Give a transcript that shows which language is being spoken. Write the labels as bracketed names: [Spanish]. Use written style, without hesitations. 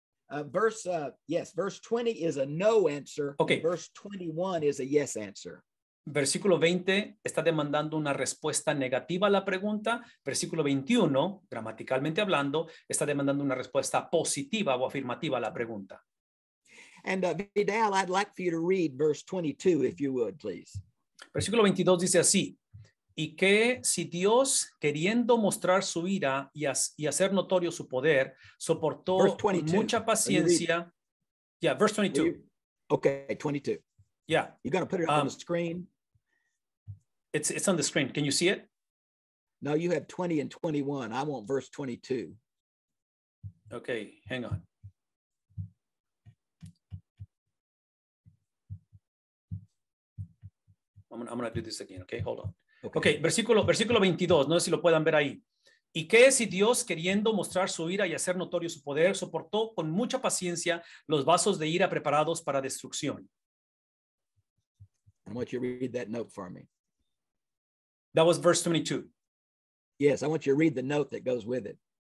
[English] verse 20 is a no answer. Okay. Verse 21 is a yes answer. [Spanish] Versículo 20 está demandando una respuesta negativa a la pregunta. Versículo 21, gramaticalmente hablando, está demandando una respuesta positiva o afirmativa a la pregunta. [English] And Vidal, I'd like for you to read verse 22, if you would, please. [Spanish] Versículo 22 dice así. Y que si Dios, queriendo mostrar su ira y hacer notorio su poder, soportó mucha paciencia. [English] Yeah, verse 22. Okay, 22. Yeah. You're going to put it on the screen? It's on the screen. Can you see it? No, you have 20 and 21. I want verse 22. Okay, hang on. I'm going to do this again, okay? Hold on. [Spanish] Okay, versículo 22, no sé si lo puedan ver ahí. ¿Y qué si Dios, queriendo mostrar su ira y hacer notorio su poder, soportó con mucha paciencia los vasos de ira preparados para destrucción? [English] I want you to read that note for me. That was verse 22. Yes, I want you to read the note that goes with it.